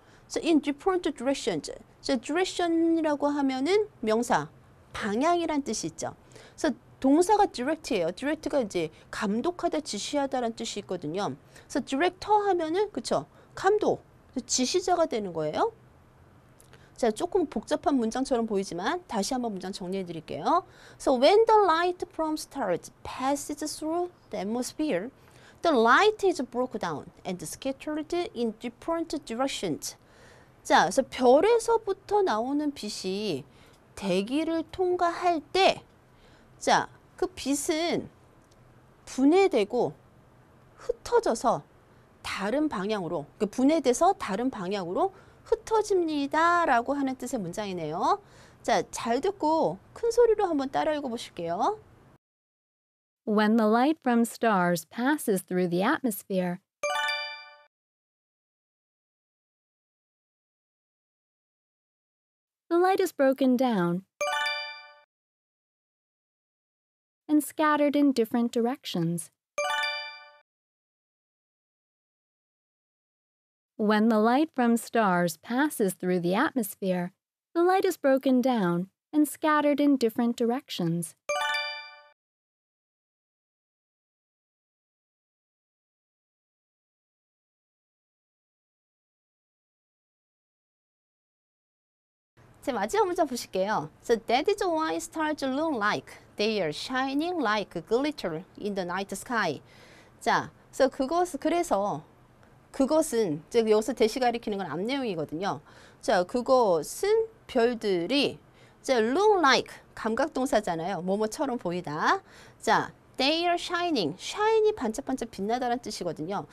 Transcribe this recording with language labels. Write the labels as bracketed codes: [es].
[en] So in different directions. [ko] So direction이라고 하면은 명사 방향이란 뜻이 있죠. So 동사가 direct예요. Direct가 이제 감독하다, 지시하다란 뜻이 있거든요. So director 하면은 그쵸 감독, 지시자가 되는 거예요. 자, 조금 복잡한 문장처럼 보이지만 다시 한번 문장 정리해 드릴게요. [en] So when the light from stars passes through the atmosphere, the light is broken down and scattered in different directions. [ko] 자, 그래서 별에서부터 나오는 빛이 대기를 통과할 때, 자, 그 빛은 분해되고 흩어져서 다른 방향으로, 그 분해돼서 다른 방향으로 흩어집니다라고 하는 뜻의 문장이네요. 자, 잘 듣고 큰 소리로 한번 따라 읽어 보실게요. [en] When the light from stars passes through the atmosphere. The light is broken down and scattered in different directions. When the light from stars passes through the atmosphere, the light is broken down and scattered in different directions. [ko] 제 마지막 문장 보실게요. [en] So that is why stars look like they are shining like glitter in the night sky. [ko] 자, so 그것은 즉 여기서 대시 가리키는 건 앞 내용이거든요. 자, 그것은 별들이 자, look like 감각 동사잖아요. 뭐뭐처럼 보이다. 자, [en] they are shining. [ko] shine이 반짝반짝 빛나다라는 뜻이거든요.